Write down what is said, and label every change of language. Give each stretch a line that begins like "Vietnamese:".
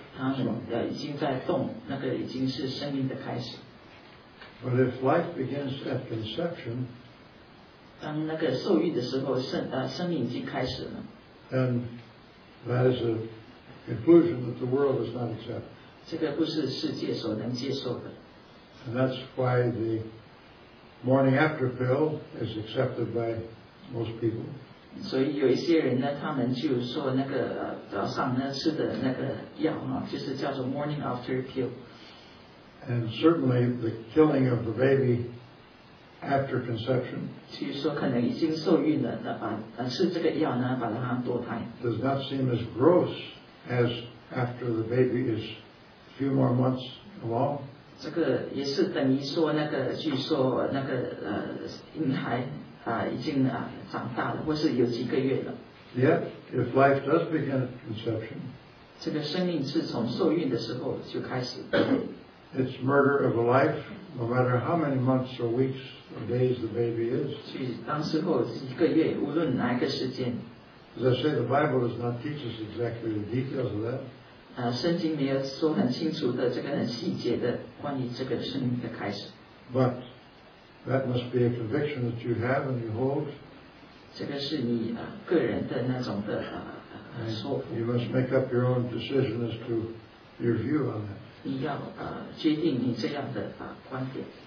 Chinese: 他们已经在动，那个已经是生命的开始。
English: But if life begins at conception,
Chinese: 当那个受孕的时候，生命已经开始了。
English: Then that is a conclusion that the world does not accept.
Chinese: 这个不是世界所能接受的。
English: And that's why the morning after pill is accepted by most people.
Chinese: 所以有一些人呢，他们就说那个早上呢吃的那个药啊，就是叫做 morning after pill。
English: And certainly the killing of the baby after conception。
Chinese: 就是说可能已经受孕了，那把吃这个药呢，把它堕胎。
English: Does not seem as gross as after the baby is a few more months along。
Chinese: 这个也是等于说那个，据说那个婴孩。已经长大了，或是有几个月了。
English: Yet, if life does begin at conception,
Chinese: 这个生命是从受孕的时候就开始。
English: It's murder of a life, no matter how many months or weeks or days the baby is.
Chinese: 所以当时候一个月，无论哪一个时间。
English: As I say, the Bible does not teach us exactly the details of that.
Chinese: 圣经没有说很清楚的这个很细节的关于这个生命的开始。
English: But. That must be a conviction that you have and you hold.
Chinese: 这个是你个人的那种的说服。
English: You must make up your own decision as to your view on that.
Chinese: 你要决定你这样的观点。